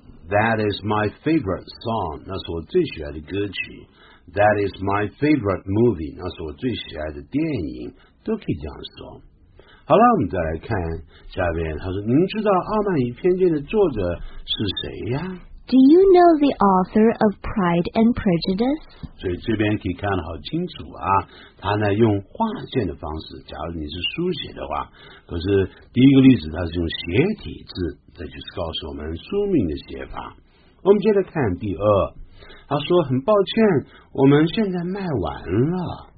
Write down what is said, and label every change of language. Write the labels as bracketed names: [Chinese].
[English] That is my favorite song, [Chinese] 那是我最喜爱的歌曲。 [English] That is my favorite movie, [Chinese] 那是我最喜爱的电影，都可以这样说。好了，我们再来看下面，他说您知道傲慢与偏见的作者是谁呀？ [English] Do you know the author of Pride and Prejudice? [Chinese] 所以这边可以看得好清楚啊，他呢用划线的方式，假如你是书写的话，可是第一个例子他是用斜体字，这就是告诉我们书名的写法。我们接着看第二，他说很抱歉，我们现在卖完了。